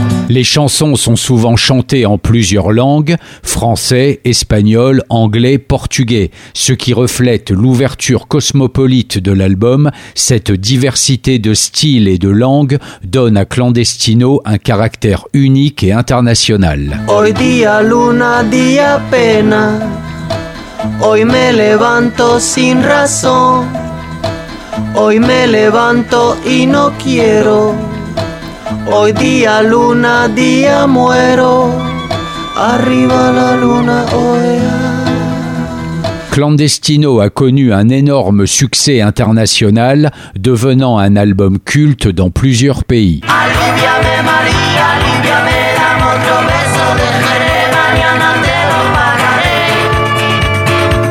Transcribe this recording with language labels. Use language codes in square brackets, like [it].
[fr] Les chansons sont souvent chantées en plusieurs langues, français, espagnol, anglais, portugais, ce qui reflète l'ouverture cosmopolite de l'album. Cette diversité de styles et de langues donne à Clandestino un caractère unique et international. [es] Hoy día luna día pena, hoy me levanto sin razón, hoy me levanto y no quiero. Hoy día luna, día muero. Arriba la luna, oh yeah. [fr] Clandestino a connu un énorme succès international, devenant un album culte dans plusieurs pays. [es] Aliviame Maria, aliviame la otro beso, dejaré mañana te lo pagaré.